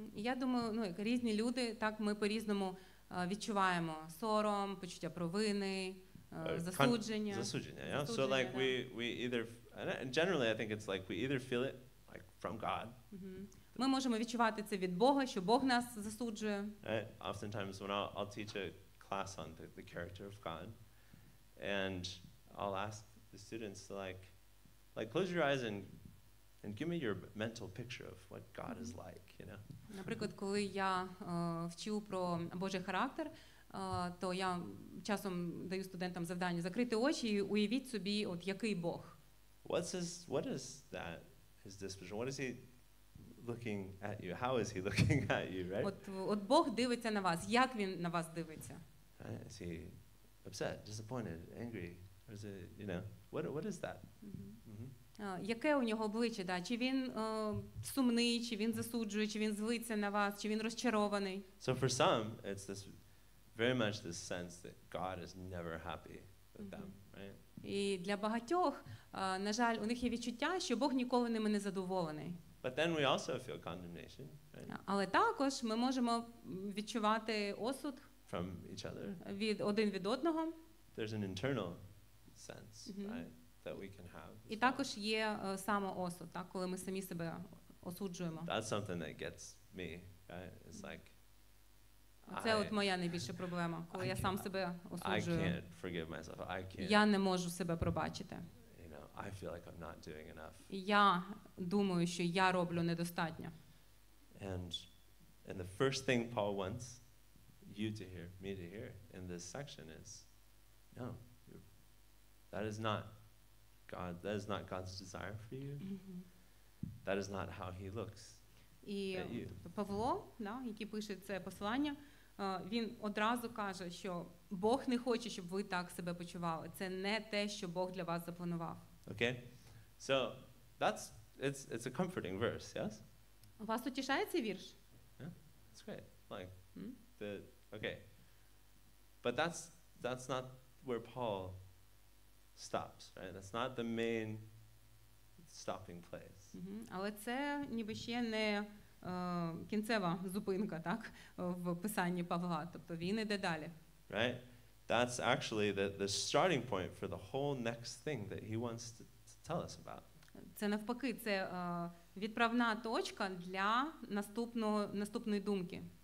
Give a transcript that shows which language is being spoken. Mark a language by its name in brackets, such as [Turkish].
[Ukrainian] Я думаю, ну, як різні люди, так ми по-різному відчуваємо сором, почуття провини. Засудження, yeah? [English] So like we either and generally I think it's like we either feel it like from God. [Ukrainian] Ми можемо відчувати це від Бога, що Бог нас засуджує. [English] Right? Oftentimes when I'll teach a class on the character of God and I'll ask the students like close your eyes and give me your mental picture of what God is like, you know. [Ukrainian] Наприклад, коли я вчу про Божий характер, то я часом даю студентам завдання закрити очі і уявіть собі, от який Бог. [English] What is his disposition? What is he looking at you? How is he looking at you, right? [Ukrainian] От Бог дивиться на вас. Як він на вас дивиться? [English] Is he upset, disappointed, angry? Or is it, you know, what is that? [Ukrainian] Яке у нього обличчя, да? Чи він сумний, чи він засуджує, чи він злиться на вас, чи він розчарований? [English] So for some, it's this very much the sense that God is never happy with them, right? [Ukrainian] І для багатьох, на жаль, у них є відчуття, що Бог ніколи ними не задоволений. [English] But then we also feel condemnation, right? [Ukrainian] Але також ми можемо відчувати осуд [English] from each other. [Ukrainian] Від один від одного. [English] There's an internal sense, right, that we can have. [Ukrainian] І також є самоосуд, так, коли ми самі себе осуджуємо. [English] That's something that gets me, right? It's like [Ukrainian] це от моя найбільша проблема, коли я сам себе осуджую. [English] I can't forgive myself. I can't. [Ukrainian] Я не можу себе пробачити. [English] You know, I feel like I'm not doing enough. [Ukrainian] Я думаю, що я роблю недостатньо. [English] And the first thing Paul wants you to hear, me to hear in this section is no. That is not God's desire for you. That is not how he looks. [Ukrainian] І Павло, да, який пише це послання, він одразу каже, що Бог не хоче, щоб ви так себе почували. Це не те, що Бог для вас запланував. [English] Okay. So, it's a comforting verse, yes? [Ukrainian] Вас утішає цей вірш? [English] Yeah, that's great. Like, okay. But that's not where Paul stops, right? That's not the main stopping place. [Ukrainian] Але це ніби ще не кінцева зупинка, так, в писанні Павла. Тобто він іде далі. [English] Right? that's actually the starting point for the whole next thing that he wants to tell us about. [Ukrainian] Це навпаки, це відправна точка для наступної думки.